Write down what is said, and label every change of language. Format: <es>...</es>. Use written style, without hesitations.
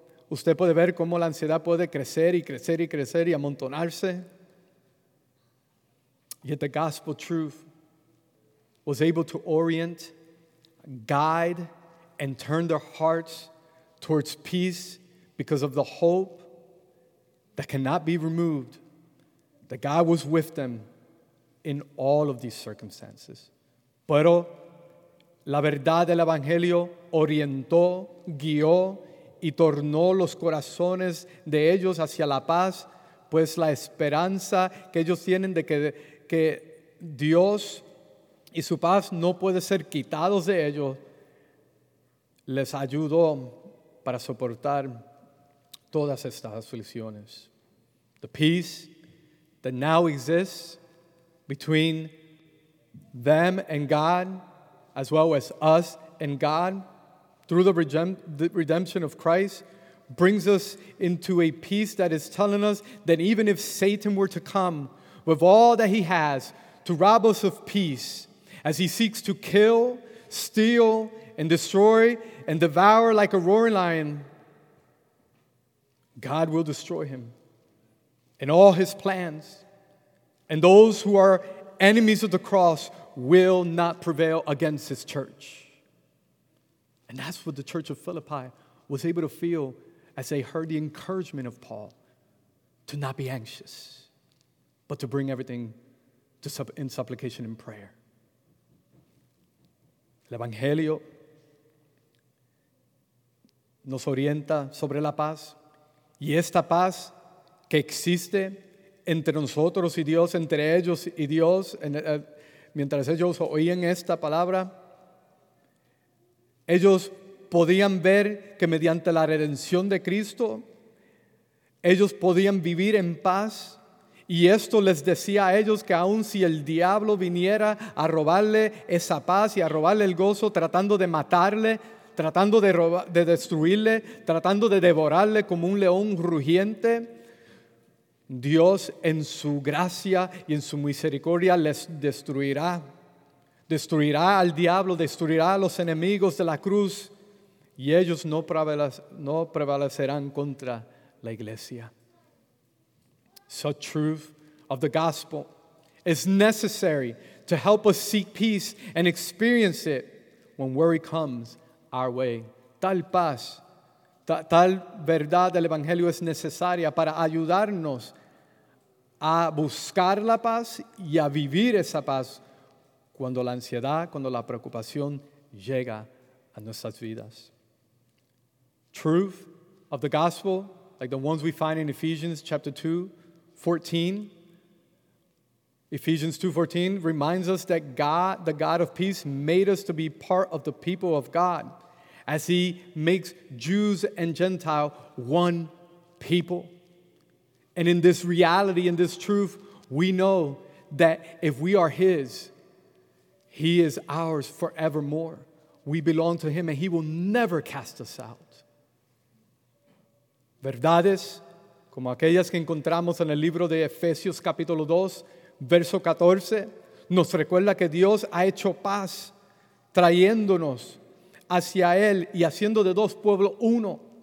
<es>Usted puede ver cómo la ansiedad puede crecer y crecer y crecer y amontonarse.</es> <en>Yet the gospel truth was able to orient, guide, and turn their hearts towards peace because of the hope that cannot be removed, that God was with them in all of these circumstances.</en> <es>Pero la verdad del Evangelio orientó, guió, y tornó los corazones de ellos hacia la paz, pues la esperanza que ellos tienen de que Dios y su paz no puede ser quitados de ellos, les ayudó para soportar todas estas aflicciones.</es> <en>The peace that now exists between them and God, as well as us and God, through the redemption of Christ, brings us into a peace that is telling us that even if Satan were to come with all that he has to rob us of peace, as he seeks to kill, steal, and destroy, and devour like a roaring lion, God will destroy him and all his plans. And those who are enemies of the cross will not prevail against his church. And that's what the church of Philippi was able to feel as they heard the encouragement of Paul to not be anxious, but to bring everything to in supplication and prayer.</en> <es>El Evangelio nos orienta sobre la paz, y esta paz que existe entre nosotros y Dios, entre ellos y Dios, mientras ellos oían esta palabra, ellos podían ver que mediante la redención de Cristo, ellos podían vivir en paz. Y esto les decía a ellos que aun si el diablo viniera a robarle esa paz y a robarle el gozo, tratando de matarle, tratando de destruirle, tratando de devorarle como un león rugiente, Dios en su gracia y en su misericordia les destruirá. Destruirá al diablo, destruirá a los enemigos de la cruz, y ellos no prevalecerán contra la iglesia.</es> <en>Such truth of the gospel is necessary to help us seek peace and experience it when worry comes our way.</en> <es>Tal paz, tal verdad del evangelio es necesaria para ayudarnos a buscar la paz y a vivir esa paz cuando la ansiedad, cuando la preocupación llega a nuestras vidas.</es> <en>Truth of the gospel, like the ones we find in Ephesians chapter 2:14. Ephesians 2:14 reminds us that God, the God of peace, made us to be part of the people of God as he makes Jews and Gentile one people. And in this reality, in this truth, we know that if we are his, he is ours forevermore. We belong to him and he will never cast us out.</en> <es>Verdades como aquellas que encontramos en el libro de Efesios capítulo 2, verso 14, nos recuerda que Dios ha hecho paz trayéndonos hacia él y haciendo de dos pueblos uno.</es>